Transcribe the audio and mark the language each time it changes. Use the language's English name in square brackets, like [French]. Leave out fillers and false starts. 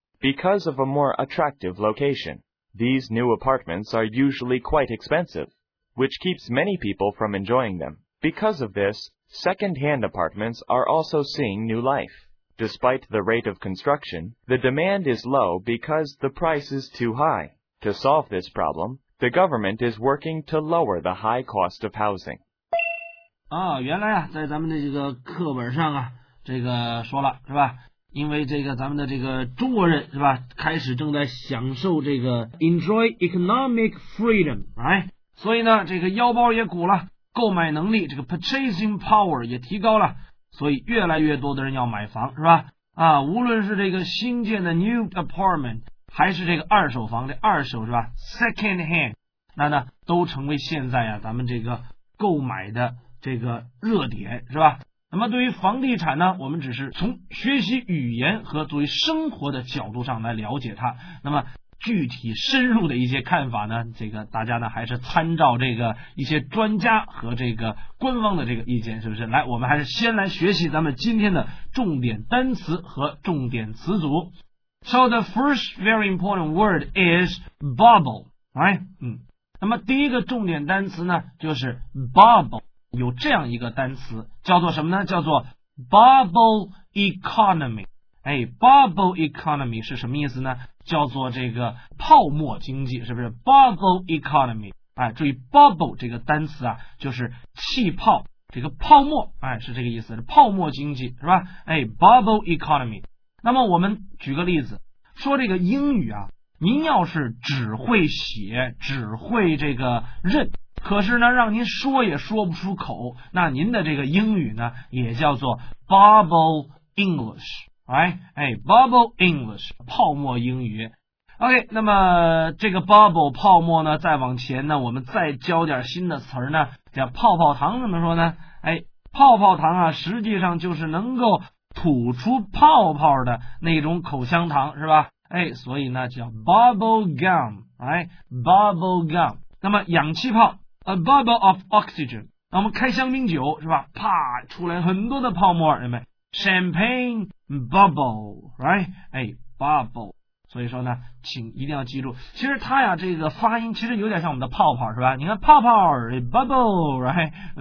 [English] Because of a more attractive location, these new apartments are usually quite expensive, which keeps many people from enjoying them. Because of this, second-hand apartments are also seeing new life. Despite the rate of construction, the demand is low because the price is too high. To solve this problem, the government is working to lower the high cost of housing. [Chinese] 啊，原来啊，在咱们的这个课本上啊这个说了是吧，因为这个咱们的这个中国人是吧，开始正在享受这个 [English] enjoy economic freedom， [Chinese] 哎，所以呢这个腰包也鼓了，购买能力这个 purchasing power 也提高了，所以越来越多的人要买房是吧，啊，无论是这个新建的 new apartment 还是这个二手房的二手是吧 second hand， 那呢都成为现在啊咱们这个购买的这个热点是吧。那么对于房地产呢，我们只是从学习语言和作为生活的角度上来了解它，那么具体深入的一些看法呢，这个大家呢还是参照这个一些专家和这个官方的这个意见，是不是？来，我们还是先来学习咱们今天的重点单词和重点词组。 [English] So the first very important word is bubble, right? [Chinese] 那么第一个重点单词呢就是 bubble，有这样一个单词叫做什么呢，叫做 bubble economy。哎， bubble economy 是什么意思呢，叫做这个泡沫经济，是不是 bubble economy。哎，注意 bubble 这个单词啊就是气泡，这个泡沫，哎，是这个意思，是泡沫经济是吧。哎， bubble economy。那么我们举个例子说这个英语啊，您要是只会写只会这个认，可是呢让您说也说不出口，那您的这个英语呢也叫做 [English] bubble English, right? [Chinese] 哎， bubble English, 泡沫英语。OK, 那么这个 bubble 泡沫呢，再往前呢我们再教点新的词呢，叫泡泡糖。怎么说呢，哎，泡泡糖啊实际上就是能够吐出泡泡的那种口香糖是吧，哎，所以呢叫 [English] bubble gum, right? [Chinese] bubble gum。那么氧气泡 [English] A bubble of oxygen。 [Chinese] 那我们开香槟酒是吧，啪出来很多的泡沫，人们 [English] Champagne bubble, right? [Chinese] 哎， bubble。所以说呢请一定要记住，其实它呀这个发音其实有点像我们的泡泡是吧，你看泡泡 [English] bubble, right?